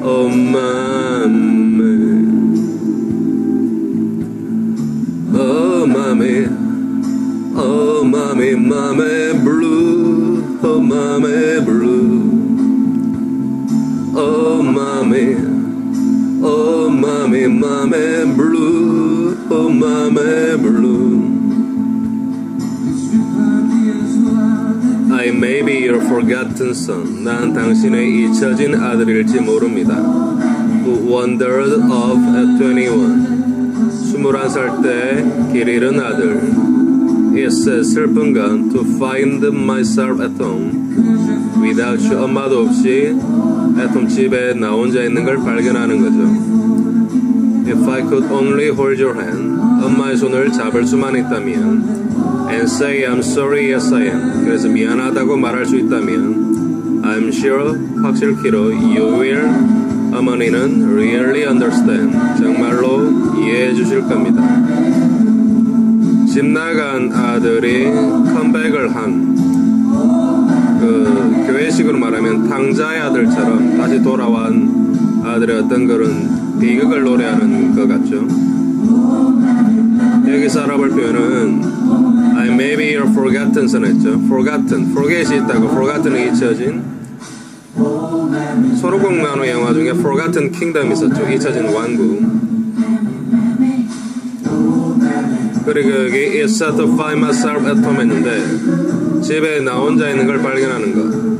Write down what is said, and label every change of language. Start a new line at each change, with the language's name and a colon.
English: Oh mommy, oh mommy, oh mommy, mommy blue, oh mommy blue, oh mommy, mommy blue, oh mommy blue. I may be your forgotten son,
Korean: 난 당신의 잊혀진 아들일지 모릅니다.
English: Who wandered off at 21,
Korean: 21살 때 길 잃은 아들.
English: It's a
Korean: 슬픈 건
English: to find myself at home without you.
Korean: 엄마도 없이
English: at home
Korean: 집에 나 혼자 있는 걸 발견하는 거죠.
English: If I could only hold your hand,
Korean: 엄마의 손을 잡을 수만 있다면,
English: and say I'm sorry, yes I am,
Korean: 그래서 미안하다고 말할 수 있다면,
English: I'm sure,
Korean: 확실히로
English: you will,
Korean: 어머니는
English: really understand,
Korean: 정말로 이해해 주실 겁니다. 집 나간 아들이 컴백을 한, 그 교회식으로 말하면 탕자의 아들처럼 다시 돌아온 아들의 어떤 그런 비극을 노래하는 것 같죠. 여기서 알아볼 표현은
English: I may be your forgotten son
Korean: 했죠. Forgotten, forget이 있다고, forgotten이 잊혀진. 소로공 나노 영화 중에 Forgotten Kingdom 있었죠. 잊혀진 왕국. 그리고 여기
English: It's sad to find myself at home
Korean: 했는데 집에 나 혼자 있는 걸 발견하는 거.